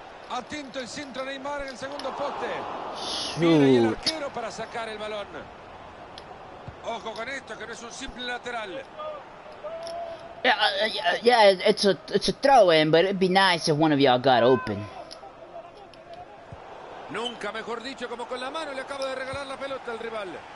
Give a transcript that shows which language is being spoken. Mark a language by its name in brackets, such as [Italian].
[Spanish] Atento el centro Neymar en el segundo poste. [English] Shoot. [Spanish] El arquero para sacar el balón. Ojo con esto, que no es un simple lateral. [English] Yeah, it's a throw-in, but it'd be nice if one of y'all got open. [Spanish] Nunca mejor dicho, como con la mano le acabo de regalar la pelota al rival.